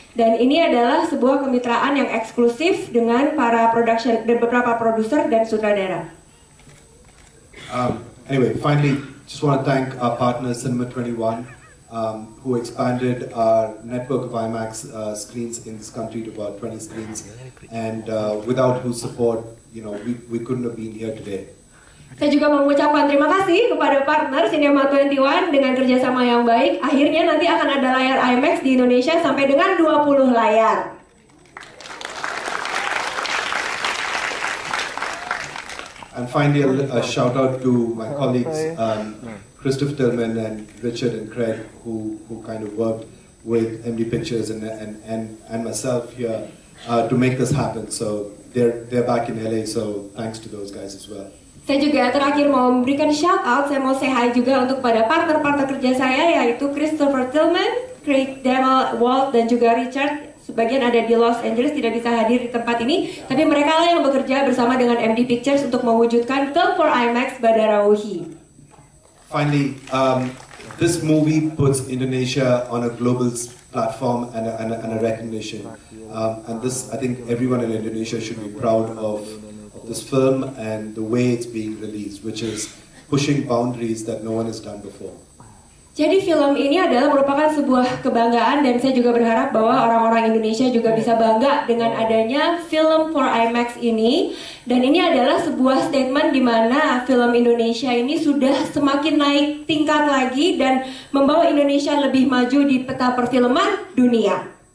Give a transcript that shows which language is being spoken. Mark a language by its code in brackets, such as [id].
[id] Dan ini adalah sebuah kemitraan yang eksklusif dengan para production dan beberapa produser dan sutradara. [en] Anyway, finally, just want to thank our partner Cinema 21, who expanded our network of IMAX screens in this country to about 20 screens, and without whose support, you know, we couldn't have been here today. [id] Saya juga mengucapkan terima kasih kepada partner Cinema 21 dengan kerjasama yang baik. Akhirnya nanti akan ada layar IMAX di Indonesia sampai dengan 20 layar. [en] And finally, a shout out to my colleagues, Christoph Tillman and Richard and Craig, who kind of worked with MD Pictures and myself here to make this happen. So they're back in LA. So thanks to those guys as well. [id] Saya juga terakhir mau memberikan [en] shout out. [id] Saya mau [en] say hi [id] juga untuk pada partner kerja saya, yaitu Christopher Tillman, Craig Demel, Walt, dan juga Richard. Sebagian ada di Los Angeles, tidak bisa hadir di tempat ini, tapi mereka lah yang bekerja bersama dengan MD Pictures untuk mewujudkan Film for IMAX Badar Rawuhi. [en] Finally, this movie puts Indonesia on a global platform and a recognition. And this, I think everyone in Indonesia should be proud of this film and the way it's being released, which is pushing boundaries that no one has done before. [id] Jadi film ini adalah merupakan sebuah kebanggaan, dan saya juga berharap bahwa orang-orang Indonesia juga bisa bangga dengan adanya Film for IMAX ini. Dan ini adalah sebuah statement di mana film Indonesia ini sudah semakin naik tingkat lagi dan membawa Indonesia lebih maju di peta perfilman dunia.